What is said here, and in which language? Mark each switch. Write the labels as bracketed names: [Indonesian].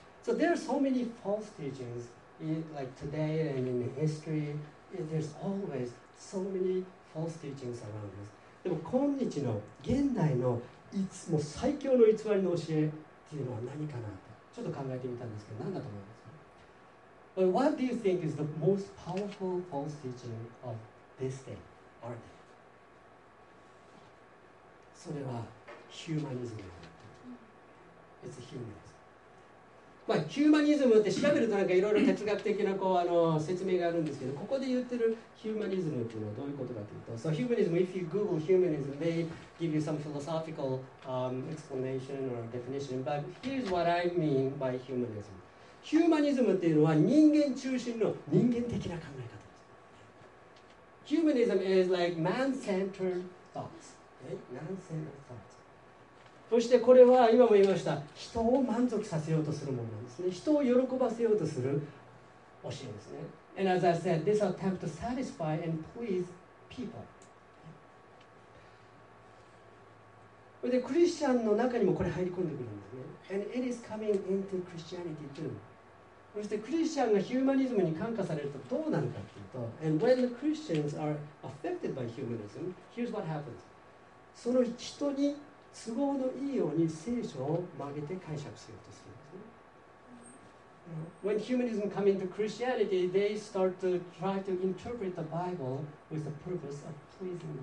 [English] So there are so many false teachings, like today and in history, there's always so many... False teachings around us. [Japanese] でも今日の現代のいつも最強の偽りの教えっていうのは何かなってちょっと考えてみたんですけど、何だと思いますか。 [English] But what do you think is the most powerful false teaching of this day? Are they? [Japanese] それはヒューマニズム。 [English] It's humanism. [Japanese] まあヒューマニズムって調べるとなんかいろいろ哲学的なこう説明があるんですけど、ここで言ってるヒューマニズムっていうのはどういうことかというと、 [English] So humanism, if you Google humanism, they give you some philosophical explanation or definition, but here's what I mean by humanism. [Japanese] ヒューマニズムっていうのは人間中心の人間的な考え方です。 [English] Humanism is like man-centered thoughts. Man-centered thoughts [Japanese] そしてこれは今も言いました、人を満足させようとするものなんですね。人を喜ばせようとする教えですね。 [English] And as I said, this attempt to satisfy and please people. [Japanese] でクリスチャンの中にもこれ入り込んでくるんですね。 [English] And it is coming into Christianity too. [Japanese] そしてクリスチャンがヒューマニズムに感化されるとどうなるかっていうと、 [English] And when the Christians are affected by humanism, here's what happens. [Japanese] その人に都合のいいように聖書を曲げて解釈しようとするんですね。 [English] When humanism come into Christianity, they start to try to interpret the Bible with the purpose of pleasing man.